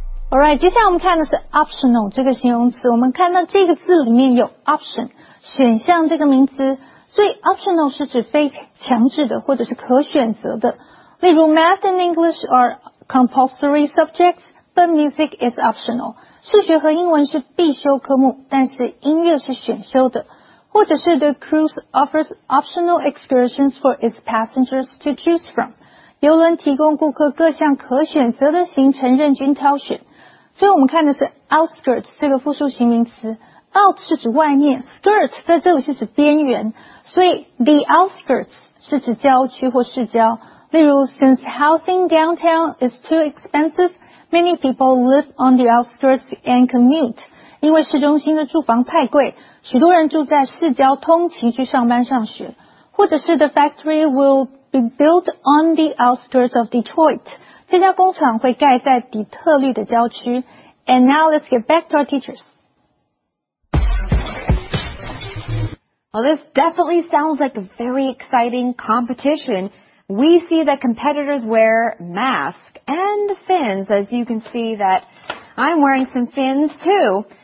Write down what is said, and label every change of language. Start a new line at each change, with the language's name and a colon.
English: Alright,
Chinese: 接下来我们看的是 optional 这个形容词。我们看到这个字里面有 option, 选项这个名词。所以 optional 是指非强制的或者是可选择的。例如
English: math and English are compulsory subjects, but music is optional.
Chinese: 数学和英文是必修科目，但是音乐是选修的。或者是
English: the cruise offers optional excursions for its passengers to choose from.
Chinese: 游轮提供顾客各项可选择的行程任君挑选。所以我们看的是 outskirts 这个复数形名词 ，out 是指外面 ，skirt 在这里是指边缘，所以 the outskirts 是指郊区或市郊。例如
English: ，since housing downtown is too expensive, many people live on the outskirts and commute.
Chinese: 因为市中心的住房太贵，许多人住在市郊通勤去上班上学。或者是
English: the factory will be built on the outskirts of Detroit.
Chinese: 这家工厂会盖在底特律的郊区。
English: And now let's get back to our teachers. Well, this definitely sounds like a very exciting competition. We see that competitors wear masks and fins. As you can see that I'm wearing some fins too.